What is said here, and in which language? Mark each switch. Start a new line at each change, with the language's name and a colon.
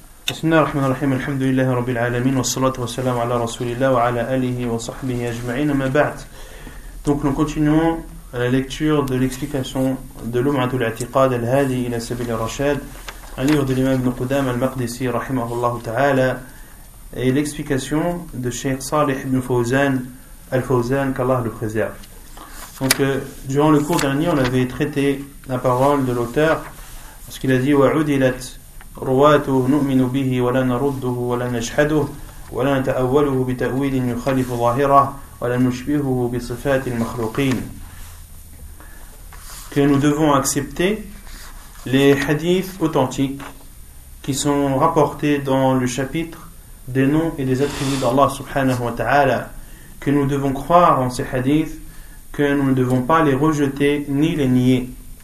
Arabic: بسم الله الرحمن الرحيم الحمد لله رب العالمين والصلاة والسلام على رسول الله وعلى آله وصحبه أجمعين ما بعد.
French: Donc nous continuons la lecture de l'explication de لمعة الاعتقاد الهادي إلى سبيل الرشاد un livre de l'imam ibn Qudam al-Maqdisi
Arabic: رحمه الله تعالى
French: et l'explication de Cheikh Salih ibn Fawzan al-Fawzan qu'Allah le préserve. Donc durant le cours dernier on avait traité la parole de l'auteur parce qu'il a dit
Arabic: وعدلت رواته نؤمن به ولا نرده ولا نجحده ولا نتأوله بتأويل يخالف ظاهره ولا نشبهه بصفات المخلوقين.
French: Que nous devons accepter les hadiths authentiques qui sont rapportés dans le chapitre des noms et des attributs d'Allah subhanahu wa ta'ala. Que nous devons croire en ces hadiths, que nous ne devons pas les rejeter ni les nier.